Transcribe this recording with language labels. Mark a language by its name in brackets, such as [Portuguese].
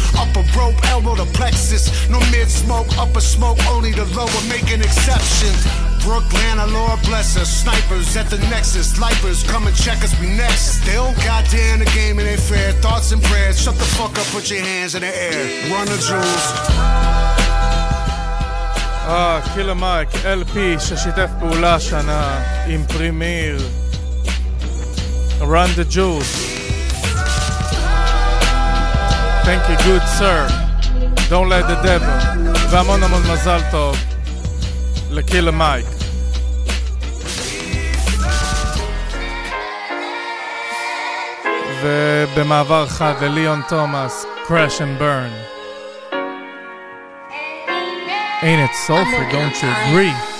[English] Upper rope, elbow to plexus. No mid smoke, upper smoke, only the lower making exceptions. Brooklyn, Lord bless us. Snipers at the Nexus. Lifers, come and check us, we next. They don't goddamn the game, it ain't fair. Thoughts and prayers, shut the fuck up, put your hands in the air. Run the jewels. [Hebrew] Ah, Killer Mike, LP, ששיתף פעולה שנה עם פרימיר. [English] Run the jewels. Thank you, good sir. Don't let the devil. [Hebrew] והמון המון מזל טוב לקילה מייק. ובמעבר חד לליאון תומאס, Crash and Burn. [English] Ain't it sulfur, don't you agree?